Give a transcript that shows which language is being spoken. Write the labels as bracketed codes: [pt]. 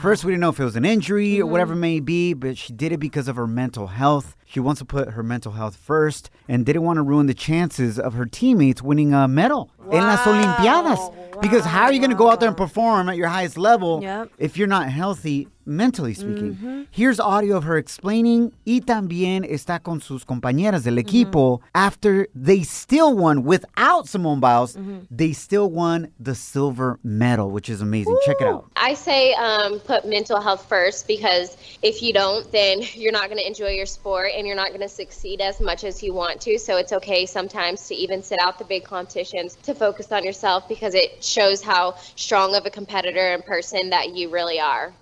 [en] First, we didn't know if it was an injury or whatever it may be, but she did it because of her mental health. She wants to put her mental health first and didn't want to ruin the chances of her teammates winning a medal. Wow. [es] En las Olimpiadas. [en] Wow. Because how are you going to go out there and perform at your highest level if you're not healthy, mentally speaking? Mm-hmm. Here's audio of her explaining. [es] Y también está con sus compañeras del equipo. [en] After they still won, without Simone Biles, they still won the silver medal, which is amazing. Ooh. Check it out. I say put mental health first, because if you don't, then you're not going to enjoy your sport and you're not going to succeed as much as you want to. So it's okay sometimes to even sit out the big competitions to focus on yourself, because it shows how strong of a competitor and person that you really are.